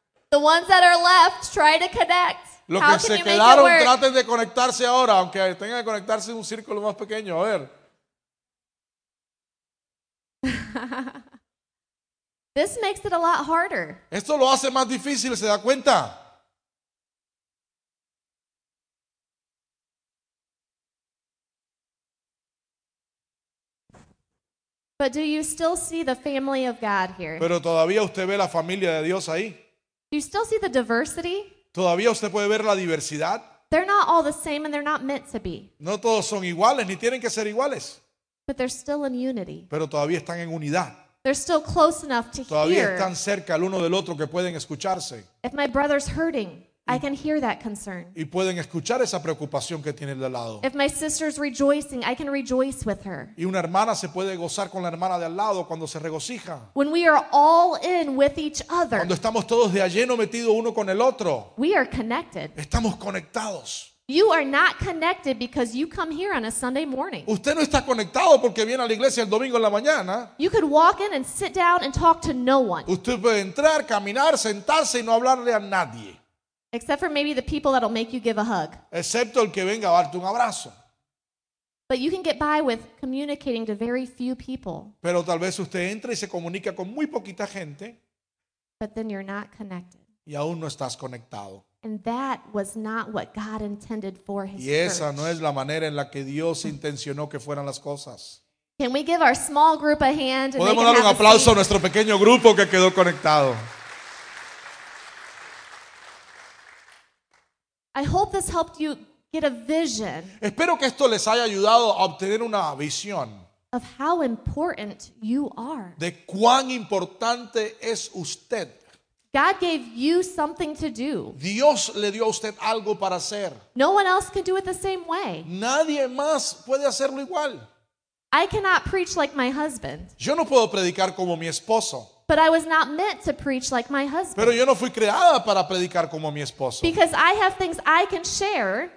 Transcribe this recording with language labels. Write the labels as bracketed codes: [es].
[en] The ones that are left, try to connect. [es] Los que se quedaron, traten de conectarse ahora, aunque tengan que conectarse en un círculo más pequeño. A ver. [en] This makes it a lot harder. [es] Esto lo hace más difícil, ¿se da cuenta? [en] But do you still see the family of God here? [es] Pero todavía usted ve la familia de Dios ahí. [en] Do you still see the diversity? [es] ¿Todavía usted puede ver la diversidad? [en] They're not all the same and they're not meant to be. [es] No todos son iguales ni tienen que ser iguales. [en] But they're still in unity. [es] Pero todavía están en unidad. [en] They're still close enough to hear. [es] Todavía están cerca el uno del otro que pueden escucharse. [en] If my brother's hurting, I can hear that concern. [es] Y pueden escuchar esa preocupación que tiene el de al lado. [en] If my sister's rejoicing, I can rejoice with her. [es] Y una hermana se puede gozar con la hermana de al lado cuando se regocija. [en] When we are all in with each other. [es] Cuando estamos todos de lleno metidos uno con el otro. [en] We are connected. [es] Estamos conectados. [en] You are not connected because you come here on a Sunday morning. [es] Usted no está conectado porque viene a la iglesia el domingo en la mañana. [en] You could walk in and sit down and talk to no one. [es] Usted puede entrar, caminar, sentarse y no hablarle a nadie. [en] Except for maybe the people that'll make you give a hug. [es] Excepto el que venga a darte un abrazo. [en] But you can get by with communicating to very few people. [es] Pero tal vez usted entra y se comunica con muy poquita gente. [en] But then you're not connected. [es] Y aún no estás conectado. [en] And that was not what God intended for his [es] y esa [en] church. [es] No es la manera en la que Dios intencionó que fueran las cosas. [en] Can we give our small group a hand? [es] Podemos dar un aplauso a nuestro pequeño grupo que quedó conectado. [en] I hope this helped you get a vision. [es] Espero que esto les haya ayudado a obtener una visión. [en] Of how important you are. [es] De cuán importante es usted. [en] God gave you something to do. [es] Dios le dio a usted algo para hacer. [en] No one else can do it the same way. [es] Nadie más puede hacerlo igual. [en] I cannot preach like my husband. [es] Yo no puedo predicar como mi esposo. [en] But I was not meant to preach like my husband. [es] Pero yo no fui creada para predicar como mi esposo. [en] Because I have things I can share.